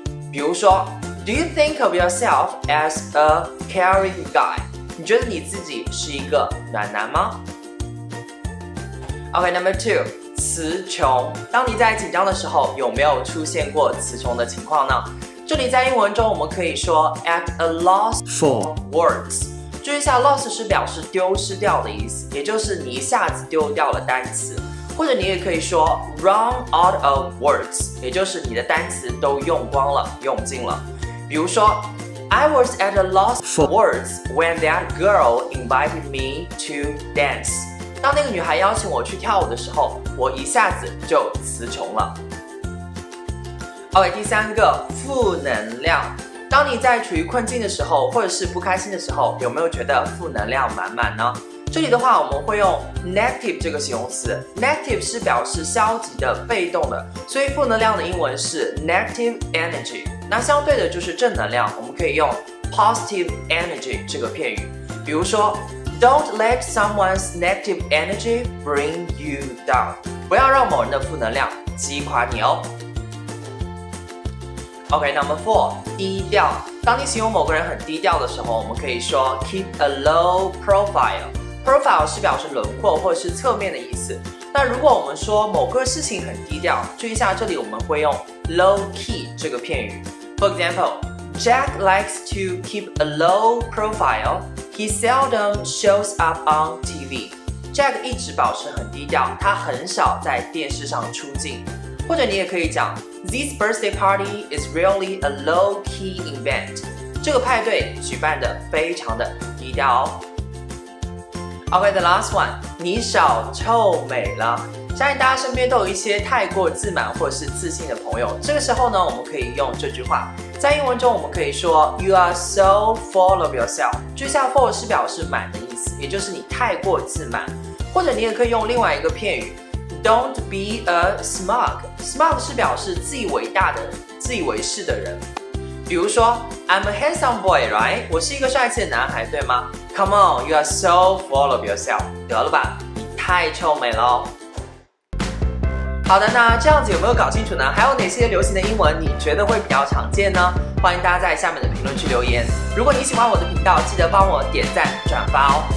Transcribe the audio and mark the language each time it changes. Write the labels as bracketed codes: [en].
[zh] 比如说 [en] Do you think of yourself as a caring guy? [zh] 你觉得你自己是一个暖男吗？ [en] OK, number two, [zh] 词穷。当你在紧张的时候，有没有出现过词穷的情况呢？这里在英文中我们可以说 [en] at a loss for words。 [zh] 注意一下， loss 是表示丢失掉的意思，也就是你一下子丢掉了单词。或者你也可以说 [en] run out of words， [zh] 也就是你的单词都用光了，用尽了。 [en] 比如说 I was at a loss for words when that girl invited me to dance。 [zh] 当那个女孩邀请我去跳舞的时候，我一下子就词穷了。 OK, 第三个，负能量。当你在处于困境的时候或者是不开心的时候，有没有觉得负能量满满呢？这里的话我们会用 negative 这个形容词。negative 是表示消极的、被动的，所以负能量的英文是 negative energy。那相对的就是正能量，我们可以用 positive energy 这个片语。比如说 [en] Don't let someone's negative energy bring you down. [zh] 不要让某人的负能量击垮你哦。 [en] OK, number four, [zh] 低调。当你形容某个人很低调的时候，我们可以说 [en] keep a low profile. [zh] Profile 是表示轮廓或是侧面的意思。那如果我们说某个事情很低调，注意一下，这里我们会用 low key 这个片语。 [en] For example, Jack likes to keep a low profile. He seldom shows up on TV. [zh] Jack 一直保持很低调，他很少在电视上出镜。或者你也可以讲 [en] This birthday party is really a low-key event. [zh] 这个派对举办得非常的低调哦。 [en] OK, the last one, [zh] 你少臭美了。相信大家身边都有一些太过自满或是自信的朋友，这个时候呢，我们可以用这句话。在英文中我们可以说 [en] You are so full of yourself. [zh] 句下 full 是表示满的意思，也就是你太过自满。或者你也可以用另外一个片语 [en] Don't be a smug. [zh] Smug 是表示自以为大的、自以为是的人。比如说 [en] I'm a handsome boy, right? [zh] 我是一个帅气的男孩，对吗？ [en] Come on, you are so full of yourself. [zh] 得了吧，你太臭美了。好的，那这样子有没有搞清楚呢？还有哪些流行的英文你觉得会比较常见呢？欢迎大家在下面的评论区留言。如果你喜欢我的频道，记得帮我点赞转发哦。